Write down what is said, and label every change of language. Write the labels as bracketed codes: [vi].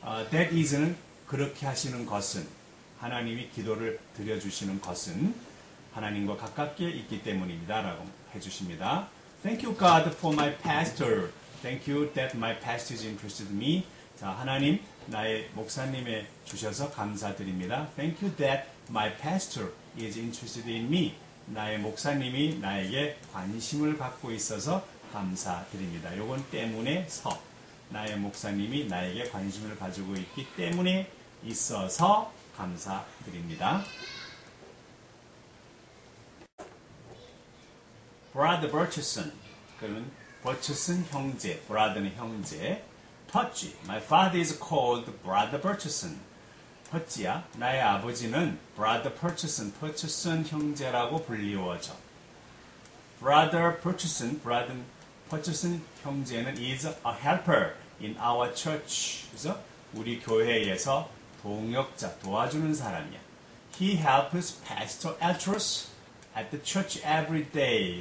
[en] That is [ko] 는 그렇게 하시는 것은, 하나님이 기도를 드려주시는 것은 하나님과 가깝게 있기 때문입니다 라고 해주십니다. [en] Thank you God for my pastor. Thank you that my pastor is interested in me. [ko] 자, 하나님 나의 목사님에 주셔서 감사드립니다. [en] Thank you that my pastor is interested in me. [ko] 나의 목사님이 나에게 관심을 갖고 있어서 감사드립니다. 요건 때문에 서. 나의 목사님이 나에게 관심을 가지고 있기 때문에 있어서 감사드립니다. Brother Burchison. 그러면 Burchison 형제, brother는 형제. Pudgy. [en] My father is called Brother Burchison. Pudgy야. [ko] 나의 아버지는 Brother Burchison, Burchison 형제라고 불리워져. [en] Brother Burchison, brother는 Purchasing 형제는 is a helper in our church. [ko] 그래서 우리 교회에서 동역자, 도와주는 사람이야. [en] He helps Pastor Altruz at the church every day.